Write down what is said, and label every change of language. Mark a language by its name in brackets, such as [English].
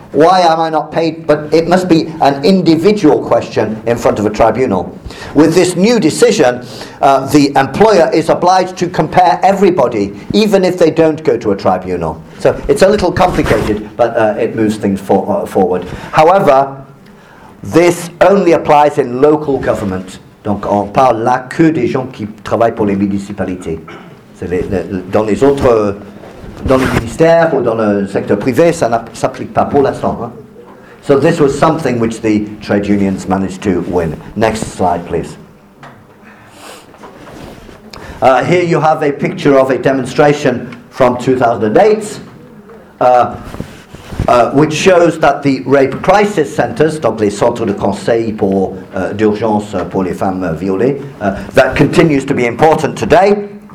[English] Why am I not paid? But it must be an individual question in front of a tribunal. With this new decision, the employer is obliged to compare everybody, even if they don't go to a tribunal. So it's a little complicated, but it moves things forward. However, this only applies in local government. [French] Donc on parle là que des gens qui travaillent pour les municipalités. C'est dans les autres, dans le ministère ou dans le secteur privé, ça s'applique pas pour l'instant. Hein? [English] So this was something which the trade unions managed to win. Next slide, please. Here you have a picture of a demonstration from 2008, which shows that the rape crisis centres, [French] donc les centres de conseil pour d'urgence pour les femmes violées, [English] that continues to be important today.